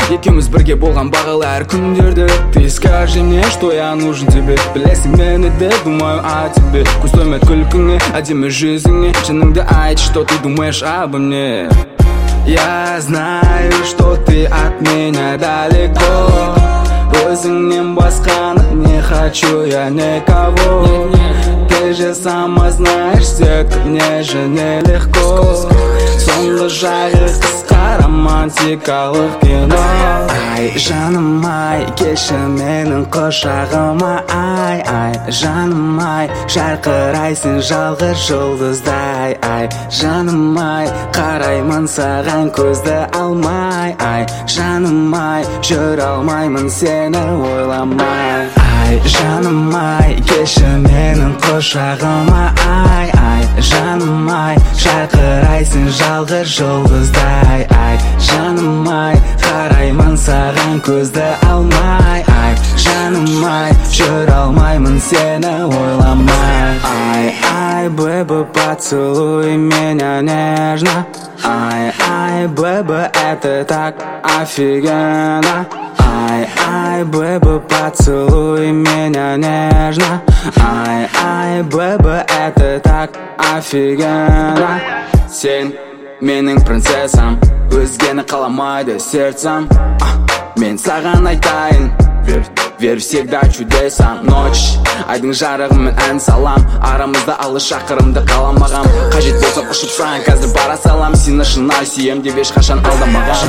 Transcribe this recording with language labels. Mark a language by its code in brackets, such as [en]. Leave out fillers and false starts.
[kk] Екеуміз бірге болған бағалы әр күндерді. [ru] Ты скажи мне, что я нужен тебе. [kk] Білесің мені де, [ru] думаю о тебе. [kk] Көз тоймет күлкіңе, әдемі жизіңе. Жаныңды айтшы, [ru] что ты думаешь обо мне. Я знаю, что ты от меня далеко. [kk] Өзіңнен басқаны [ru] не хочу я никого. Ты же сама знаешь, все к мне же нелегко. [kk] Сонлы жағы қысқа романтикалық кино. Ай, жаным ай, келші менің құшағыма. Ай, ай, жаным ай, жарқырайсын жалғыз жұлдыздай. Ай, жаным ай, қараймын саған көзді алмай. Ай, жаным ай, жүр алмаймын сені ойламай. Ай, жаным ай, келші менің құшағыма. Ай, ай, жаным ай, жарқырайсын жалғыз жұлдыздай. Ай, жаным ай, қараймын саған көзді алмай. Ай, жаным ай, жүр алмаймын сені ойламай. [ru] Ай, ай, бэбэ, поцелуй меня нежно. Ай, ай, бэбэ, это так офигенно. Ай, ай, бэбэ, поцелуй меня нежно. Ай, ай, бэбэ, это так офигенно. [kk] Сень, менің принцессам, өзгені қаламайды [ru] сердцем. [kk] Мен саған айтайын, [ru] вер всегда чудесам. Ночь, [kk] айдың жарығымен ән салам. Арамызда алыс шақырымды қаламағам. Қажет болсам ұшып саған қазір бара салам. Сені шынай сүйем деп ешқашан алдамағам.